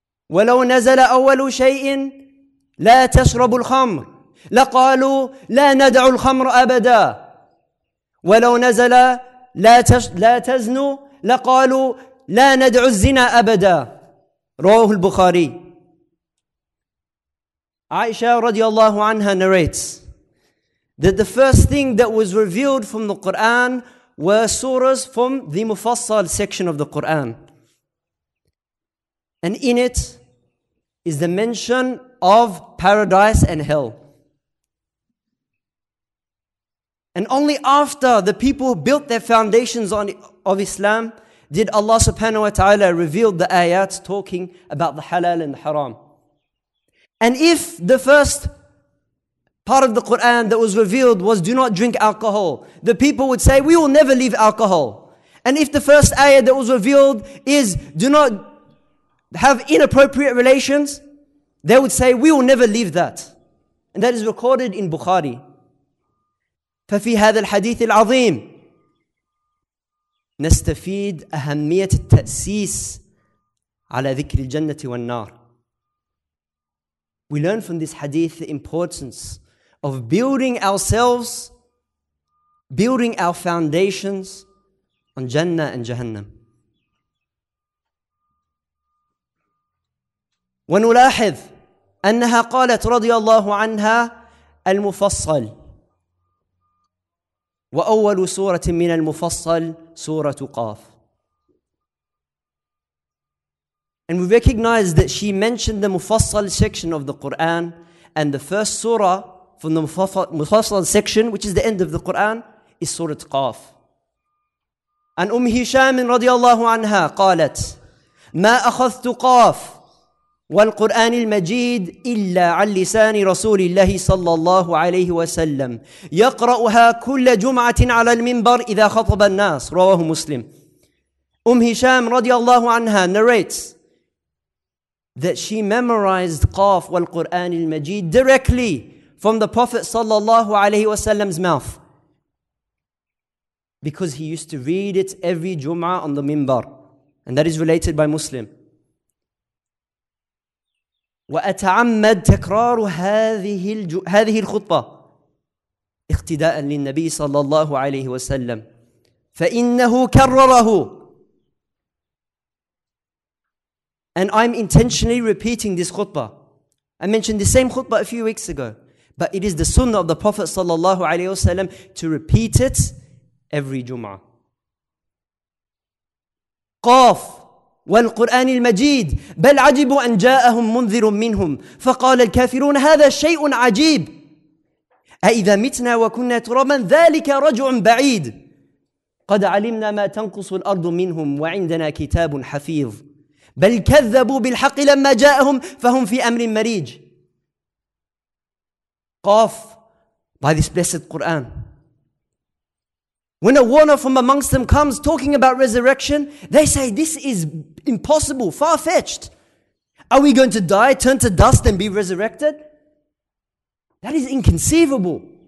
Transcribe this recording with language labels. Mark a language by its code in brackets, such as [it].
[ar] ولو نزل أول شيء لا تشرب الخمر لقالوا لا ندع الخمر أبدا، ولو نزل لا تزنوا لقالوا لا ندع الزنا أبدا. رواه البخاري. [en] عائشة رضي الله عنها narrates that the first thing that was revealed from the Quran were surahs from the Mufassal section of the Quran, and in it is the mention of paradise and hell. And only after the people built their foundations of Islam did Allah subhanahu wa ta'ala reveal the ayat talking about the halal and the haram. And if the first part of the Quran that was revealed was do not drink alcohol, the people would say we will never leave alcohol. And if the first ayat that was revealed is do not have inappropriate relations, they would say we will never leave that. And that is recorded in Bukhari. [ar] ففي هذا الحديث العظيم نستفيد أهمية التأسيس على ذكر الجنة والنار. [en] We learn from this hadith the importance of building ourselves, building our foundations on Jannah and Jahannam. [ar] ونلاحظ أنها قالت رضي الله عنها المفصل وأول سورة من المفصل سورة قاف. [en] And we recognize that she mentioned the Mufassal section of the Quran, and the first surah from the Mufassal section, which is the end of the Quran, is سورة قاف. [ar] عن أم هشام رضي الله عنها قالت: ما أخذت قاف والقرآن المجيد إلا عن لسان رسول الله صلى الله عليه وسلم يقرأها كل جمعة على المنبر إذا خطب الناس. رواه مسلم. [en] أم هشام رضي الله عنها narrates that she memorized [ar] قاف والقرآن المجيد [en] directly from the Prophet صلى الله عليه وسلم's mouth because he used to read it every Jum'ah on the minbar, and that is related by Muslim. [ar] وأتعمد تكرار هذه الخطبة اقتداء للنبي صلى الله عليه وسلم فإنه كرره. [en] And I'm intentionally repeating this khutbah. I mentioned the same khutbah a few weeks ago, but it is the sunnah of the Prophet صلى الله عليه وسلم to repeat it every Jum'ah. [ar] قاف والقرآن المجيد بل عجبوا أن جاءهم منذر منهم فقال الكافرون هذا شيء عجيب أإذا متنا وكنا ترابا ذلك رجع بعيد قد علمنا ما تنقص الأرض منهم وعندنا كتاب حفيظ بل كذبوا بالحق لما جاءهم فهم في أمر مريج. قاف. [en] By this blessed Quran, when a warner from amongst them comes talking about resurrection, they say, this is impossible, far-fetched. Are we going to die, turn to dust, and be resurrected? That is inconceivable.